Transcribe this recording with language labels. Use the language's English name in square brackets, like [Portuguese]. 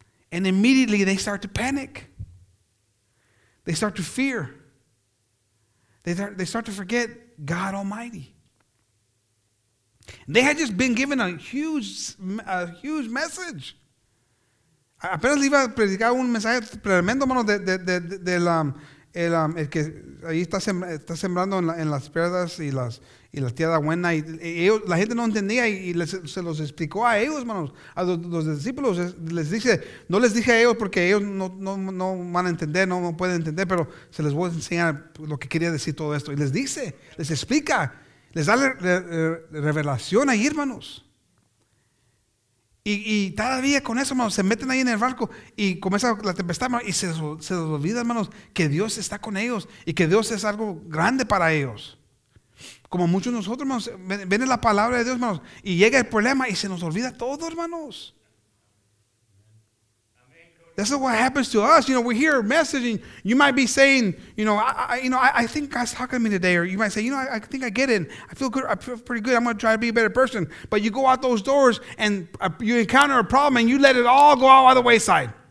[English] And immediately they start to panic. They start to fear. They start to forget God Almighty. They had just been given a huge message. [Spanish] Apenas le iba a predicar un mensaje tremendo, mano, del que ahí está sembrando en las piedras y las tierras buenas. La gente no entendía y se los explicó a ellos, manos, a los discípulos. Les dice, no les dije a ellos porque ellos no van a entender, no pueden entender, pero se les voy a enseñar lo que quería decir todo esto. Y les dice, les explica. Les da revelación ahí, hermanos. Y todavía con eso, hermanos, se meten ahí en el barco y comienza la tempestad, hermanos, y se les olvida, hermanos, que Dios está con ellos y que Dios es algo grande para ellos. Como muchos de nosotros, hermanos, ven la palabra de Dios, hermanos, y llega el problema y se nos olvida todo, hermanos. [English] This is what happens to us. You know, we hear a message, and you might be saying, you know, I think God's talking to me today. Or you might say, you know, I think I get it. I feel good. I feel pretty good. I'm going to try to be a better person. But you go out those doors, and you encounter a problem, and you let it all go out by the wayside.